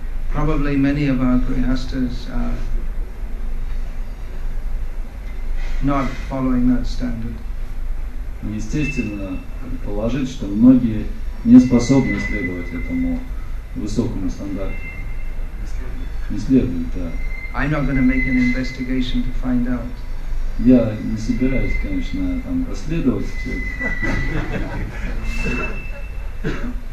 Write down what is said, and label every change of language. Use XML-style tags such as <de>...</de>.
<en>probably many of our grihasthas are not following that standard.</en> <ru>Естественно предположить, что многие не способны следовать этому высокому стандарту. Не следует, да.</ru> <en>I'm not going to make an investigation to find out.</en> <ru>Я не собираюсь, конечно, там расследовать все это.</ru>